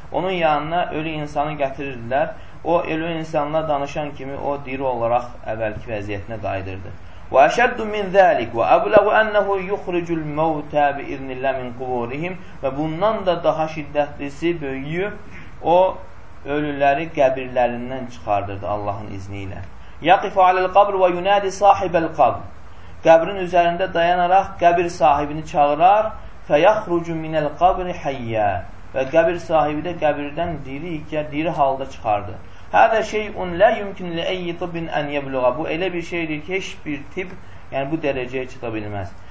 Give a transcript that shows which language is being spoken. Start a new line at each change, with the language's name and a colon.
Azerbaijani: Onun yanına ölü insanı gətirirdilər. O ölü insanla danışan kimi o diri olaraq əvvəlki vəziyyətinə qayıdırdı.
Arabic: وأشد من ذلك وأبلغ أنه يخرج الموتى بإذن الله من قبورهم
Azerbaijani: və bundan da daha şiddətlisi, böyüyü o ölüləri qəbirlərindən çıxardırdı Allahın izni ilə.
Arabic: يقف على القبر وينادي صاحب القبر.
Azerbaijani: Qəbrin üzərində dayanaraq qəbir sahibini çağırar.
Arabic: فيخرج من القبر حيا.
Azerbaijani: Və qəbir sahibi də qəbirdən diri ikən diri halda çıxardı.
Arabic: Hədə şeyun lə yümkün lə eyyi tıbbin ən yəbluğa.
Azerbaijani: Bu elə bir şeydir ki, heç bir tip, yəni bu dərəcəyə çıta bilməz.